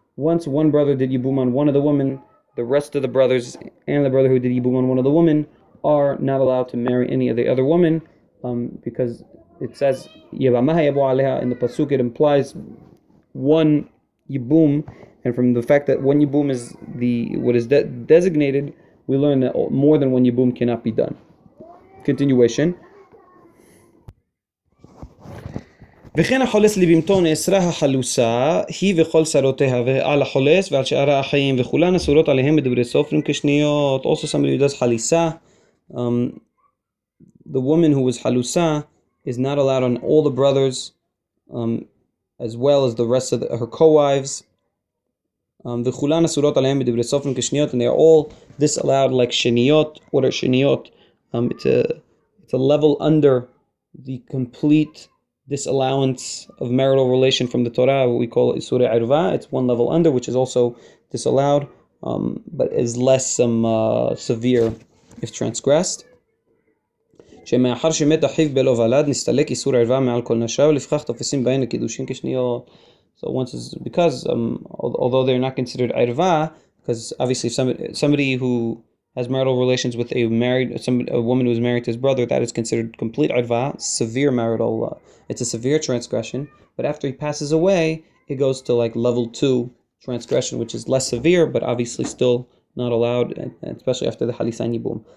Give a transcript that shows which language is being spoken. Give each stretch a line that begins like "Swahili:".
English: Once one brother did yibum on one of the women, the rest of the brothers and the brother who did yibum on one of the women are not allowed to marry any of the other women, because it says yibamaha yibu aleha in the pasuk. It implies one yibum, and from the fact that one yibum is the what is designated, we learn that more than one yibum cannot be done. Continuation.
Hebrew: וכן החולס לבימתו נאסרה החלוסה, היא וכל שרותיה, ועל החולס ועל שאר האחים, וכולן אסורות עליהם בדברי סופרים כשניות.
English: Also somebody who does חליסה, the woman who was חלוסה is not allowed on all the brothers, as well as the rest of her co-wives.
Hebrew: וכולן אסורות עליהם בדברי סופרים כשניות,
English: and they are all disallowed like שניות. What are שניות? It's a level under the complete disallowance of marital relation from the Torah, what we call it Isurei Erva. It's one level under, which is also disallowed, but is less severe if transgressed.
Hebrew: שמאחר שמת אחיו בלא ולד נסתלק איסור ערווה מעל כל נשיו, לפכך תופסים בהן לקידושין כשניות.
English: So once is because although they're not considered ערווה, because obviously somebody who has marital relations with a woman who is married to his brother, that is considered complete arva, severe marital, it's a severe transgression. But after he passes away, it goes to like level 2 transgression, which is less severe, but obviously still not allowed, and especially after the halisa yibum.